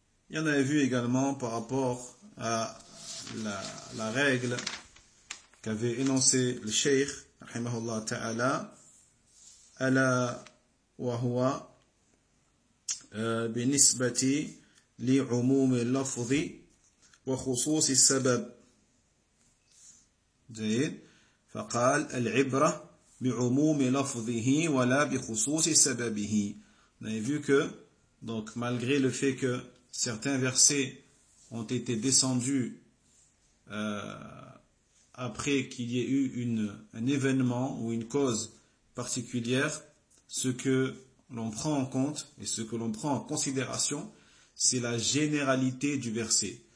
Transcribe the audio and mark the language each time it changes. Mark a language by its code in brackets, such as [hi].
[fr] Il en avait vu également par rapport à la règle qu'avait énoncé le Cheikh, rahimahullah ta'ala, [ar] ala wa huwa binisbati لعموم اللفظ وخصوص السبب. جيد، فقال العبرة بعموم لفظه ولا بخصوص سببه. [fr] On a vu que donc malgré le fait que certains versets ont été descendus après qu'il y ait eu un événement ou une cause particulière, ce que l'on prend en compte et ce que l'on prend en considération, c'est la généralité du verset.